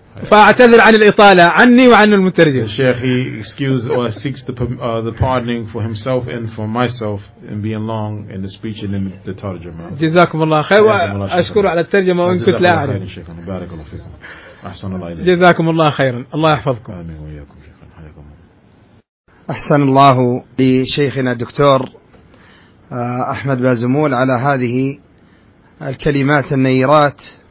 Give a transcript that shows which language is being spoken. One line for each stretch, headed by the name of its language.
Arabic: فأعتذر عن الإطالة عني وعن المترجم.
English: الشيخ he excuses or seeks the pardoning for himself and for myself in being long in the speech and in the ترجمة.
Arabic: جزاكم الله خير وأشكر على الترجمة وإن كنت لا أعرف. جزاكم الله خير شيخنا بارك الله فيكم أحسن الله إليكم. جزاكم الله خيرا الله يحفظكم. آمين وإياكم شيخنا حياكم الله. أحسن الله لشيخنا الدكتور أحمد بازمول على هذه الكلمات النيرات.